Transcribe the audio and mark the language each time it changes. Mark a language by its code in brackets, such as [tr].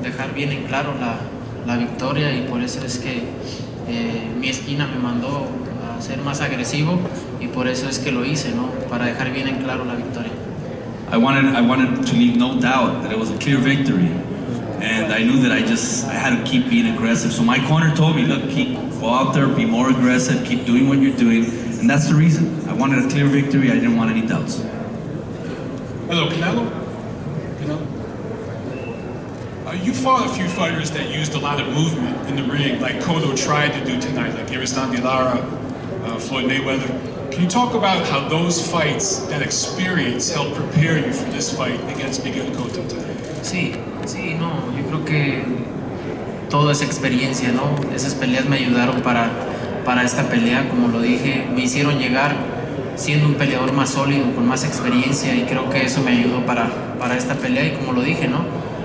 [es] Dejar bien en claro la victoria, y por eso es que mi esquina me mandó a ser más agresivo, y por eso es que lo hice, ¿no? Para dejar bien en claro la victoria. [en] I wanted to leave no doubt that it was a clear victory, and I knew that I had to keep being aggressive. So my corner told me, look, keep, go out there, be more aggressive, keep doing what you're doing, and that's the reason. I wanted a clear victory. I didn't want any doubts. Hello, Canelo. You fought a few fighters that used a lot of movement in the ring, like Cotto tried to do tonight, like Aristandi Lara, Floyd Mayweather. Can you talk about how those fights, that experience, helped prepare you for this fight against Miguel Cotto tonight? [es] Sí, no, yo creo que toda esa experiencia, ¿no? Esas peleas me ayudaron para esta pelea, como lo dije, me hicieron llegar siendo un peleador más sólido, con más experiencia, y creo que eso me ayudó para esta pelea, y como lo dije, ¿no?